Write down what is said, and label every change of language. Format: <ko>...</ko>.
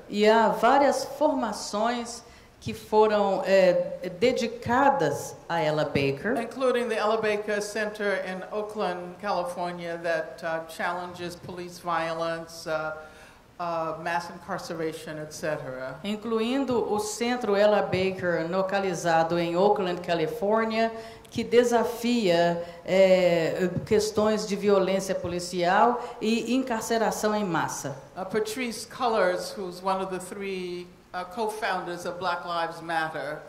<pt>E há várias formações que foram dedicadas a Ella Baker,</pt> <en>including the Ella Baker Center in Oakland, California, that challenges police violence, mass incarceration, etc.</en> <pt>Incluindo o Centro Ella Baker, localizado em Oakland, California, que desafia questões de violência policial e encarceração em massa.</pt> <en>Patrice Cullors, who's one of the three co-founders of Black Lives Matter.</en>